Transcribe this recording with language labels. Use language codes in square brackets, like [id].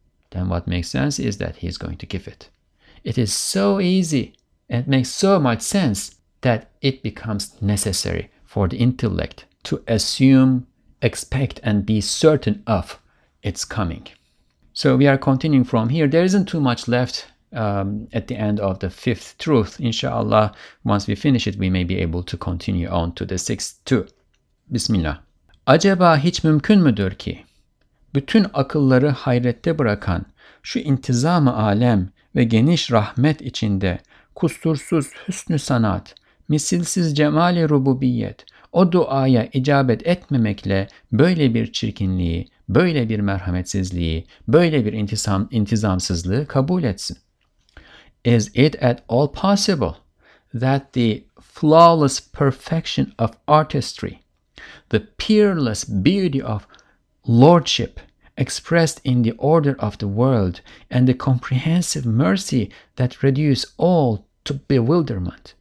[en] Then what makes sense is that he is going to give it. It is so easy and makes so much sense that it becomes necessary for the intellect to assume, expect, and be certain of its coming. So we are continuing from here. There isn't too much left at the end of the fifth truth. Inshallah, once we finish it, we may be able to continue on to the sixth too. [ar] Bismillah. [tr] Acaba hiç mümkün müdür ki, bütün akılları hayrette bırakan şu intizam-ı alem ve geniş rahmet içinde kustursuz hüsnü sanat, misilsiz cemali rububiyet, o duaya icabet etmemekle böyle bir çirkinliği, böyle bir merhametsizliği, böyle bir intizamsızlığı kabul etsin? [en] Is it at all possible that the flawless perfection of artistry, the peerless beauty of lordship, expressed in the order of the world, and the comprehensive mercy that reduce all to bewilderment?